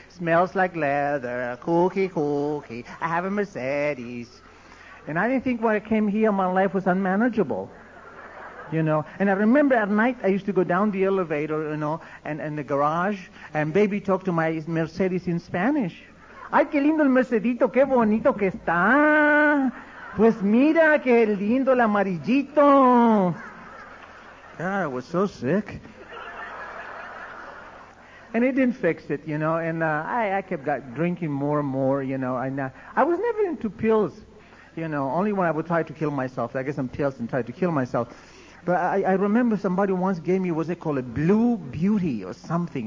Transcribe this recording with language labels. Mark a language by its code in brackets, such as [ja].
[en] Smells like leather, cookie, cookie. I have a Mercedes. And I didn't think when I came here, my life was unmanageable. You know, and I remember at night I used to go down the elevator, you know, and the garage, and baby talk to my Mercedes in Spanish. [es] Ay, qué lindo el Mercedito, qué bonito que está. Pues mira, qué lindo el amarillito. [en] God, I was so sick. And it didn't fix it, you know, and I kept drinking more and more, you know, and I was never into pills, you know, only when I would try to kill myself. I get some pills and try to kill myself. But I remember somebody once gave me, what's it called, a blue beauty or something.